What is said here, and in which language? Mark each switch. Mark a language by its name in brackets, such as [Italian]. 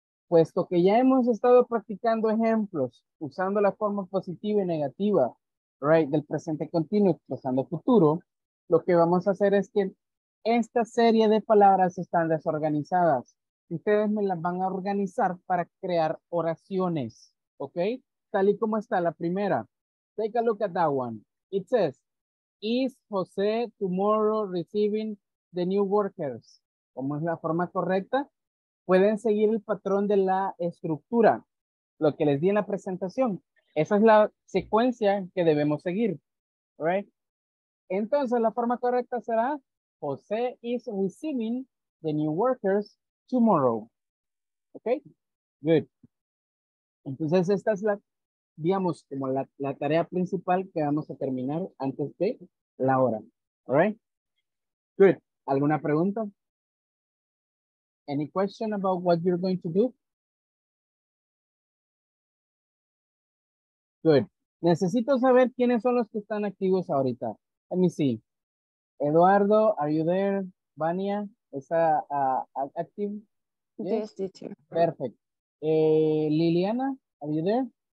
[Spanish] Puesto que ya hemos estado practicando ejemplos, usando la forma positiva y negativa, right, del presente continuo expresando futuro, lo que vamos a hacer es que esta serie de palabras están desorganizadas. Ustedes me las van a organizar para crear oraciones, ¿ok? Tal y como está la primera. [English] Take a look at that one. It says, is José tomorrow receiving the new workers? [Spanish] ¿Cómo es la forma correcta? Pueden seguir el patrón de la estructura, lo que les di en la presentación. Esa es la secuencia que debemos seguir, right? Entonces, la forma correcta será, [English] José is receiving the new workers tomorrow. Okay? Good. [Spanish] Entonces, esta es la, digamos, como la tarea principal que vamos a terminar antes de la hora. [English] All right? Good. [Spanish] ¿Alguna pregunta? [English] Any question about what you're going to do? Good. [Spanish] Necesito saber quiénes son los que están activos ahorita. [English] Let me see. Eduardo, are you there? Vania, [Spanish] ¿está [English] active? Yes, yes, teacher. Perfect. Liliana, are you there?